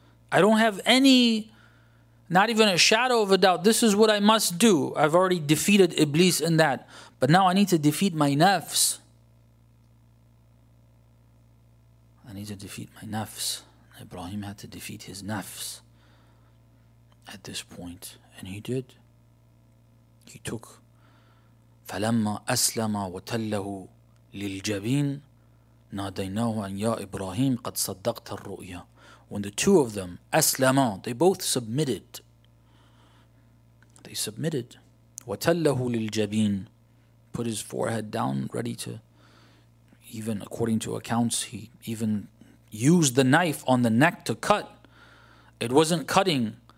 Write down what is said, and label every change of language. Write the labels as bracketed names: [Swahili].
[English] I don't have any, not even a shadow of a doubt, this is what I must do. I've already defeated Iblis in that, but now I need to defeat my nafs. I need to defeat my nafs. Ibrahim had to defeat his nafs at this point, and he did. He took [Arabic] فَلَمَّا أَسْلَمَا وَتَلَّهُ لِلْجَبِينَ نَادَيْنَاهُ أَنْ يَا إِبْرَاهِيمَ قَدْ صَدَّقْتَ الرُّؤْيَا. [English] When the two of them, أَسْلَمَا, they both submitted. They submitted. [Arabic] وَتَلَّهُ لِلْجَبِينَ, [English] put his forehead down, ready to, even according to accounts, he even used the knife on the neck to cut. It wasn't cutting.